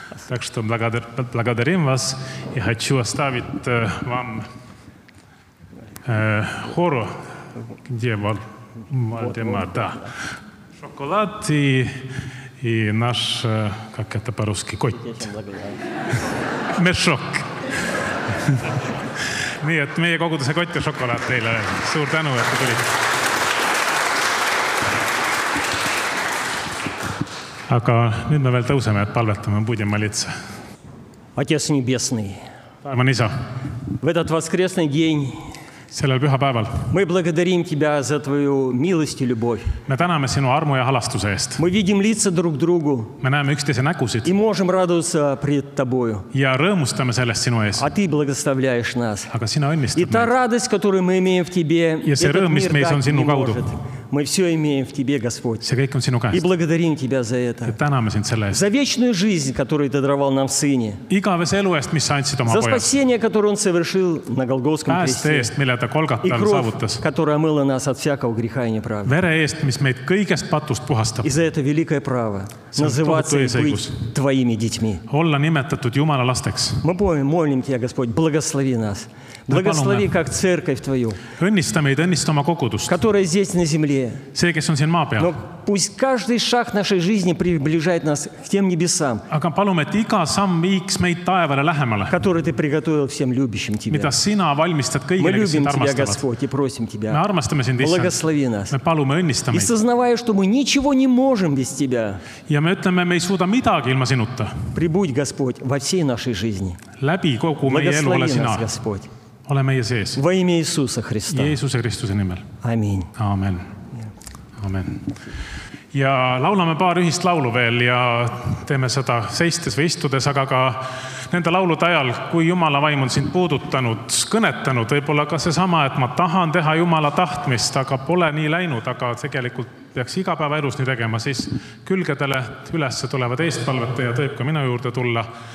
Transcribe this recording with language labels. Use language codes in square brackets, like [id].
[ru] Так что благодарим вас и хочу оставить вам хору, где Вальдемар. Вот, да. Шоколад и наш, как это по-русски, кот. Мешок. [et] Nii et meie koguduse kott ja šokolaad teile. Suur tänu, et tulite. Aga nüüd me veel tõuseme, et palvetame Budima litsa. [ru] Отец Небесный. [et] Taevan Isa. [ru] В этот воскресный день. [et] Sellel püha päeval. [ru] Мы благодарим тебя за твою милость и любовь. [et] Me täname sinu armu ja halastuse eest. [ru] Мы видим лица друг другу. [et] Me näeme üksteise nägusid. [ru] И можем радоваться пред тобою. [et] Ja rõõmustame sellest sinu ees. [ru] А ты благоставляешь нас. [et] Aga sina õnnistad meid. [ru] И та радость, которую мы имеем в тебе, [et] ja see rõõm, mis meis on sinu kaudu. [ru] Мы все имеем в тебе, Господь. [et] See kõik on sinu käest. [ru] И благодарим тебя за это. [et] Ja täname sind selle eest. [ru] За вечную жизнь, которую ты даровал нам в сыне. [et] Igavese elu eest, mis sa andsid oma poja. [ru] За спасение, которое он совершил на Голгофском кресте. [et] Ta kolgatal [ru] и кровь, [et] saavutas. [ru] Которая омыла нас от всякого греха и неправды. [et] Vere eest, mis meid kõigest patust puhastab. [ru] И за это великое право называться и быть твоими детьми. [et] Olla nimetatud Jumala lasteks. [ru] Мы молим тебя, Господь, благослови нас. Благослови, как церковь твою. [et] Õnnista meid, õnnista oma kogudust. [ru] Которая здесь на земле. [et] See, kes on siin maa peal. [ru] Но пусть каждый шаг нашей жизни приближает нас к тем небесам. [et] Aga palume, et iga samm viiks meid taevale lähemale. [ru] Который ты приготовил всем любящим тебя. [et] Mida sina valmistad kõigele, kes sind armastavad. [ru] Tебя, Господь, и просим тебя. [et] Me armastame sind, Issand. [ru] Благослови нас. [et] Me palume, õnnista [ru] meid. И сознавая, что мы ничего не можем без тебя. [et] Ja me ütleme, me ei suuda midagi ilma sinuta. [ru] Прибудь, Господь, во всей нашей жизни. [et] Läbi kogu meie elu ole sina. Ole meie sees. [ru] Во имя Иисуса Христа. [et] Jeesuse Kristuse nimel. Amin. Amen. Amen. Ja laulame paar ühist laulu veel ja teeme seda seistes või istudes, aga ka nende laulud ajal, kui Jumala vaim on sind puudutanud, kõnetanud, võibolla ka see sama, et ma tahan teha Jumala tahtmist, aga pole nii läinud, aga tegelikult peaks igapäeva elus nii tegema, siis külgedele ülesse tulevad eestpalvete ja tõib ka minu juurde tulla,